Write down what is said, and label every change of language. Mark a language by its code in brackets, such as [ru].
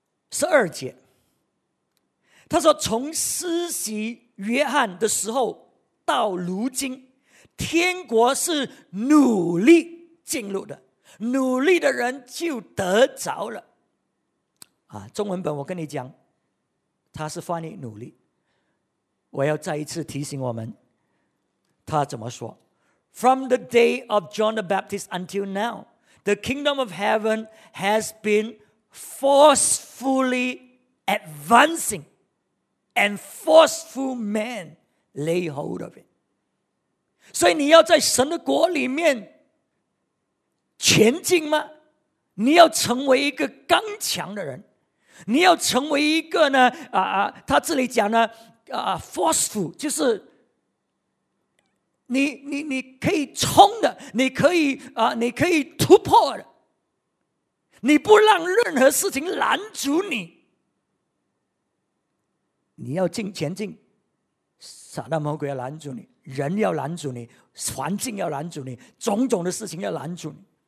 [zh] 十二节，他说：“从施洗约翰的时候到如今，天国是努力进入的，努力的人就得着了。” 啊，中文本我跟你讲，他是翻译努力。我要再一次提醒我们，他怎么说 ？ [en] From the day of John the Baptist until now, the kingdom of heaven has been forcefully advancing and forceful man lay hold of it. [zh] 所以你要在神的国里面前进吗？你要成为一个刚强的人，你要成为一个呢啊，他这里讲呢啊 forceful， 就是你可以冲的，你可以啊，你可以突破的，你不让任何事情拦阻你，你要进前进，撒旦魔鬼要拦阻你，人要拦阻你，环境要拦阻你，种种的事情要拦阻你。